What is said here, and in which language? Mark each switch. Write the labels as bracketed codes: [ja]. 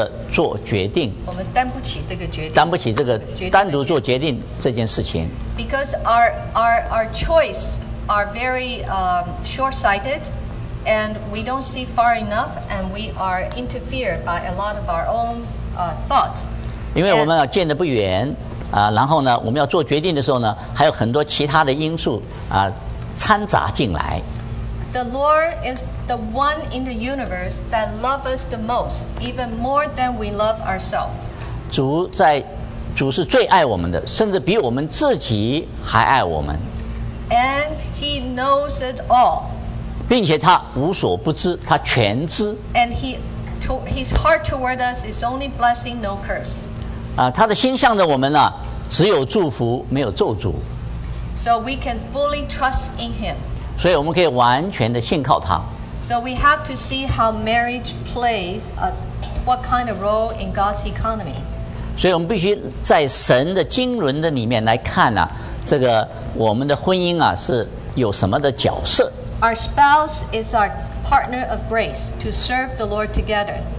[zh] 第一就是我们需要知道，我们不能够单独的做决定。我们担不起这个决定。 [en] Because our choice are very short-sighted. And we don't see far enough, and we are interfered by a lot of our own thoughts. [zh] 因为我们见得不远，然后呢，我们要做决定的时候呢，还有很多其他的因素掺杂进来。 [en] The Lord is the one in the universe that loves us the most, even more than we love ourselves. [zh] 主是最爱我们的，甚至比我们自己还爱我们。 [en] And He knows it all. [zh] 并且他无所不知，他全知。 [en] And his heart toward us is only blessing, no curse. [zh] 他的心向着我们呢，只有祝福，没有咒诅。 [en] So we can fully trust in him. [zh] 所以我们可以完全的信靠他。 [en] So we have to see how marriage plays what kind of role in God's economy. [zh] 所以我们必须在神的经纶的里面来看呢，这个我们的婚姻是有什么的角色。 [en] Our spouse is our partner of grace to serve the Lord together.